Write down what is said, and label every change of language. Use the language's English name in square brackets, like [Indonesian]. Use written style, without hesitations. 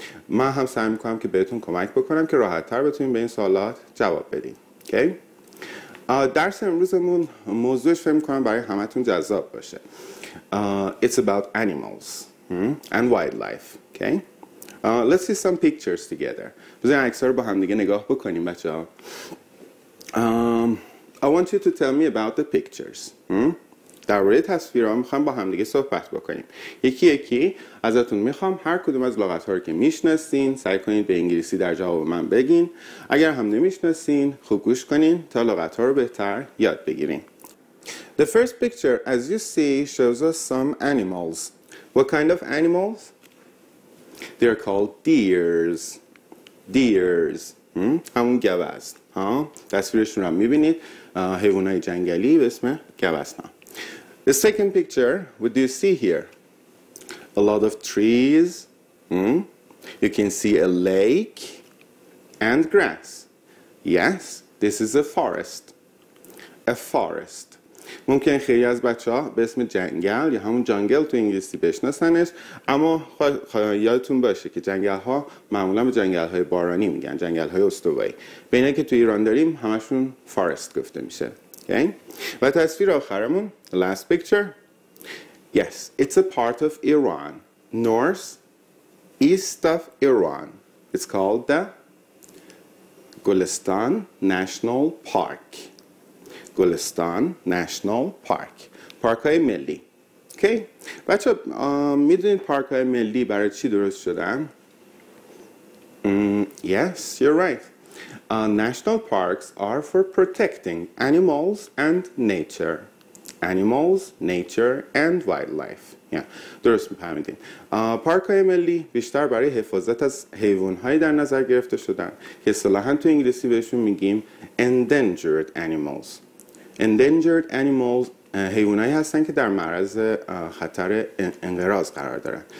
[Persian] من هم سعی میکنم که بهتون کمک بکنم که راحت تر بتونیم به این سوالات جواب بدیم. اوکی؟ درس امروزمون موضوعش فهم کنم برای همه تون جذاب باشه. [English] It's about animals and wildlife. Okay? Let's see some pictures together. [Persian] بزنین عکس‌ها رو با هم دیگه نگاه بکنیم بچه ها. [English] I want you to tell me about the pictures. [Persian] در مورد تصویرها میخوام با هم دیگه صحبت بکنیم. یکی یکی ازتون میخوام هر کدوم از لغت‌ها رو که میشناسین سعی کنین به انگلیسی در جواب من بگین. اگر هم نمیشناسین خوب گوش کنین تا لغت‌ها رو بهتر یاد بگیرین. [English] The first picture, as you see, shows us some animals. What kind of animals? They are called deers. Deers. [Persian] همون گوه است. تصویرشون رو میبینید. حیوانای جنگلی به اسم گوه است. [English] The second picture, what do you see here? A lot of trees. You can see a lake and grass. Yes, this is a forest. A forest. [Persian] ممکن خیلی از بچه‌ها به اسم جنگل یا همون جنگل تو انگلیسی بشناسنش، اما یادتون باشه که جنگل‌ها معمولا به جنگل‌های بارانی میگن، جنگل‌های استوایی. بین اینکه تو ایران داریم همشون فارست گفته میشه. [English] Okay. [Persian] و تصویر آخرمون, [English] last picture. Yes, it's a part of Iran. North, east of Iran. It's called the Golestan National Park. Golestan National Park. [Persian] پارک‌های ملی. [English] Okay. [Persian] بچه میدونید پارک‌های ملی برای چی درست شدن؟ [English] Yes, you're right. National parks are for protecting animals and nature. Animals, nature, and wildlife. Yeah, [Persian] درست می‌فهمیدین. پارک‌های ملی بیشتر برای حفاظت از حیوان‌های در نظر گرفته شدن که اصطلاحاً تو انگلیسی بهشون میگیم endangered animals. Endangered animals حیوانایی هستن که در معرض خطر انقراض قرار دارن.